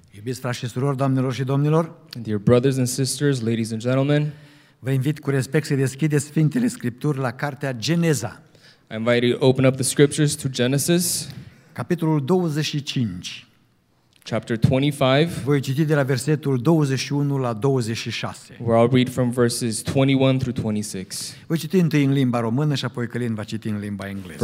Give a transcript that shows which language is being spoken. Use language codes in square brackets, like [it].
[ro] Iubiți frați și surori, doamnelor și domnilor, [en] dear brothers and sisters, ladies and gentlemen, [ro] vă invit cu respect să deschideți Sfintele Scripturi la Cartea Geneza. [en] I invite you to open up the Scriptures to Genesis. [ro] Capitolul 25. [en] Chapter 25. [ro] Voi citi de la versetul 21 la 26. [en] Where I'll read from verses 21 through 26. [ro] Voi citi întâi în limba română și apoi Călin va citi în limba engleză.